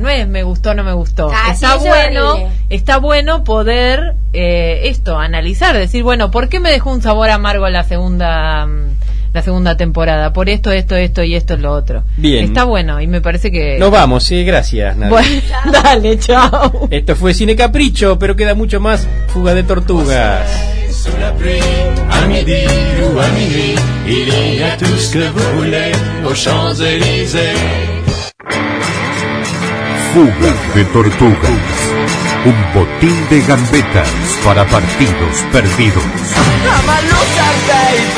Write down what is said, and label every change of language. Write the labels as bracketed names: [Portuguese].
[Spanish] No es me gustó, no me gustó. Está bueno poder esto, analizar. Decir, bueno, ¿por qué me dejó un sabor amargo la segunda temporada? Por esto, esto, esto y esto, lo otro. Bien. Está bueno y me parece que... Nos vamos, sí, gracias, Nadia. Bueno, chao. Dale, chao. Esto fue Cine Capricho, pero queda mucho más Fuga de Tortugas. [French] Sous la pluie, à midi ou à minuit, il y a tout ce que vous voulez aux Champs-Élysées. [Spanish] Fuga de Tortugas, un botín de gambetas para partidos perdidos. ¡Jamás lo sabré!